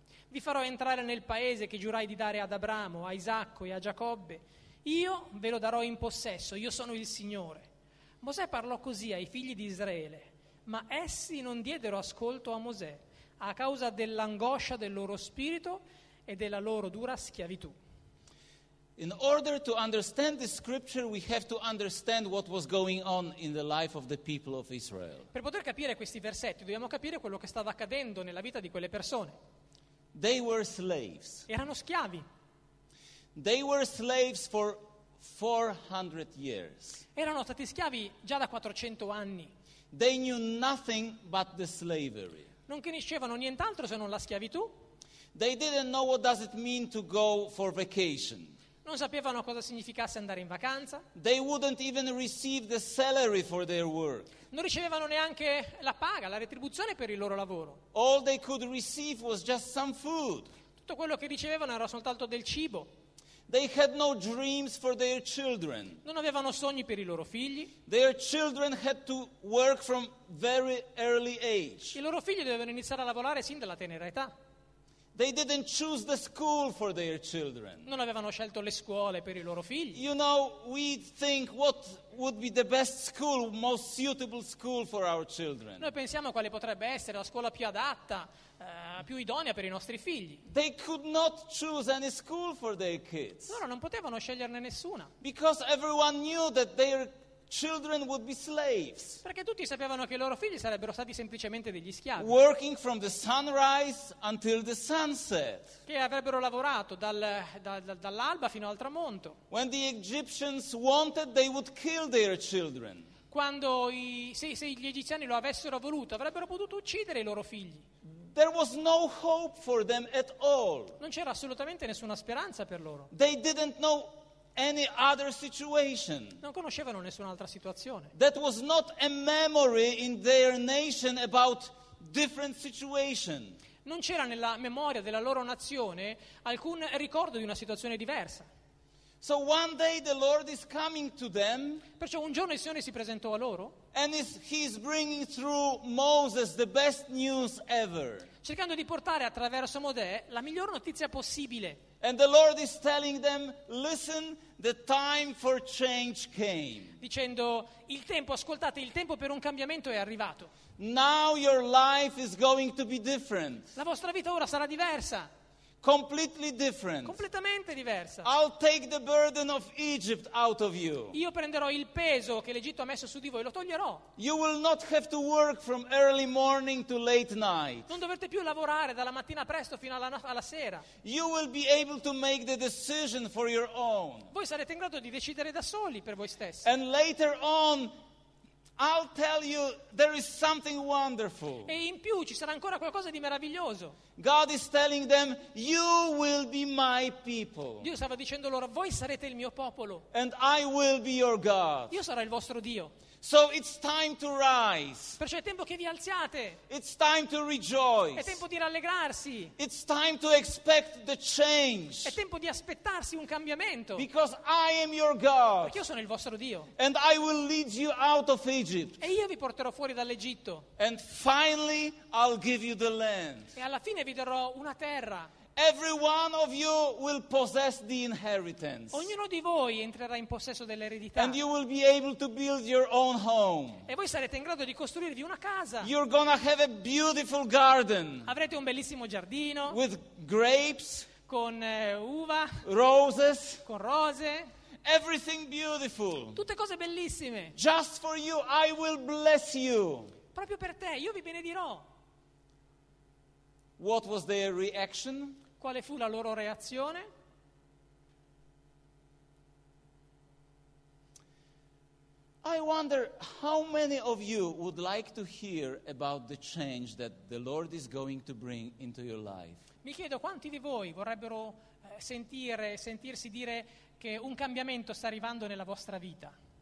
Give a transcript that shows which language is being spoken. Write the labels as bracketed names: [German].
[Italian] Vi farò entrare nel paese che giurai di dare ad Abramo, a Isacco e a Giacobbe. Io ve lo darò in possesso, io sono il Signore. Mosè parlò così ai figli di Israele, ma essi non diedero ascolto a Mosè a causa dell'angoscia del loro spirito e della loro dura schiavitù. [English] In order to understand the scripture, we have to understand what was going on in the life of the people of Israel. [Italian] Per poter capire questi versetti, dobbiamo capire quello che stava accadendo nella vita di quelle persone. [English] They were slaves. [Italian] Erano schiavi. [English] They were slaves for 400 years. [Italian] Erano stati schiavi già da 400 anni. [English] They knew nothing but the slavery. [Italian] Non conoscevano nient'altro se non la schiavitù. [English] They didn't know what does it mean to go for vacation. [Italian] Non sapevano cosa significasse andare in vacanza. [English] They wouldn't even receive the salary for their work. [Italian] Non ricevevano neanche la paga, la retribuzione per il loro lavoro. [English] All they could receive was just some food. [Italian] Tutto quello che ricevevano era soltanto del cibo. [English] They had no dreams for their children. [Italian] Non avevano sogni per i loro figli. [English] Their children had to work from very early age. [Italian] I loro figli dovevano iniziare a lavorare sin dalla tenera età. [English] They didn't choose the school for their children. [Italian] Non avevano scelto le scuole per i loro figli. [English] You know, we think what would be the best school, most suitable school for our children. [Italian] Noi pensiamo quale potrebbe essere la scuola più adatta, più idonea per i nostri figli. [English] They could not choose any school for their kids. [Italian] Loro non potevano sceglierne nessuna. [English] Because everyone knew that their children would be slaves. [Italian] Perché tutti sapevano che i loro figli sarebbero stati semplicemente degli schiavi. [English] Working from the sunrise until the sunset. [Italian] Che avrebbero lavorato dall'alba fino al tramonto. [English] When the Egyptians wanted, they would kill their children. [Italian] Quando se gli egiziani lo avessero voluto, avrebbero potuto uccidere i loro figli. [English] There was no hope for them at all. [Italian] Non c'era assolutamente nessuna speranza per loro. [English] They didn't know any other situation. [Italian] Non conoscevano nessun'altra situazione. [English] That was not a memory in their nation about different situation. [Italian] Non c'era nella memoria della loro nazione alcun ricordo di una situazione diversa. [English] So one day the Lord is coming to them. [Italian] Perciò un giorno il Signore si presentò a loro. [English] And he is bringing through Moses the best news ever. [Italian] Cercando di portare attraverso Mosè la miglior notizia possibile. [English] And the Lord is telling them, listen, the time for change came. [Italian] Dicendo, il tempo, ascoltate, il tempo per un cambiamento è arrivato. [English] Now your life is going to be different. [Italian] La vostra vita ora sarà diversa. [English] Completely different. [Italian] Completamente diversa. [English] I'll take the burden of Egypt out of you. [Italian] Io prenderò il peso che l'Egitto ha messo su di voi, lo toglierò. [English] You will not have to work from early morning to late night. [Italian] Non dovrete più lavorare dalla mattina presto fino alla sera. [English] You will be able to make the decision for your own. [Italian] Voi sarete in grado di decidere da soli per voi stessi. [English] And later on, I'll tell you there is something wonderful. [Italian] E in più ci sarà ancora qualcosa di meraviglioso. [English] God is telling them, you will be my people. [Italian] Dio stava dicendo loro, voi sarete il mio popolo. [English] And I will be your God. [Italian] Io sarò il vostro Dio. [English] So it's time to rise. [Italian] Perciò è tempo che vi alziate. [English] It's time to rejoice. [Italian] È tempo di rallegrarsi. [English] It's time to expect the change. [Italian] È tempo di aspettarsi un cambiamento. [English] Because I am your God. [Italian] Perché io sono il vostro Dio. [English] And I will lead you out of Egypt. [Italian] E io vi porterò fuori dall'Egitto. [English] And finally I'll give you the land. [Italian] E alla fine vi darò una terra. [English] Every one of you will possess the inheritance. [Italian] Ognuno di voi entrerà in possesso dell'eredità. [English] And you will be able to build your own home. [Italian] E voi sarete in grado di costruirvi una casa. [English] You're gonna have a beautiful garden. [Italian] Avrete un bellissimo giardino. [English] With grapes. [Italian] Con uva. [English] Roses. [Italian] Con rose. [English] Everything beautiful. [Italian] Tutte cose bellissime. [English] Just for you, I will bless you. [Italian] Proprio per te, io vi benedirò. [English] What was their reaction? [Italian] Quale fu la loro reazione? [English] I wonder how many of you would like to hear about the change that the Lord is going to bring into your life. [Italian] Mi chiedo quanti di voi vorrebbero sentirsi dire che un cambiamento sta arrivando nella vostra vita.